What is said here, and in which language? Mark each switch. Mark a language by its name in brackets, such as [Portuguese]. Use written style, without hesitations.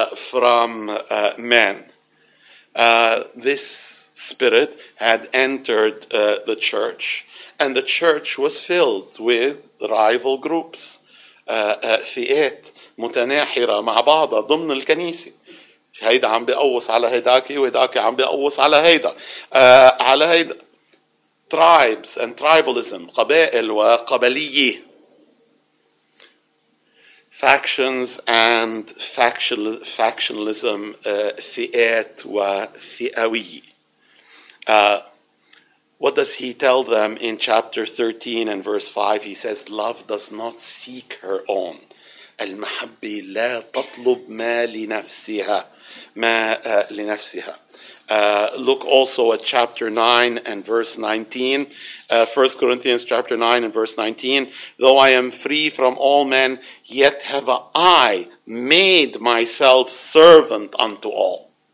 [English] from men. This spirit had entered the church, and the church was filled with rival groups, [Arabic] فئات متناحرة مع بعضها ضمن الكنيسة. هيدا عم بيقوص على هيداكي وهيداكي عم بيقوص على هيدا على هيدا. [English] Tribes and tribalism, [Arabic] قبائل وقبلية. [English] Factions and factionalism, [Arabic] فئات وفئوية. [English] What does he tell them in chapter 13 and verse 5? He says, love does not seek her own. [Arabic] المحبة لا تطلب ما لنفسها. ما لنفسها. [English] Look also at chapter 9 and verse 19. 1 Corinthians chapter 9 and verse 19. Though I am free from all men, yet have I made myself servant unto all.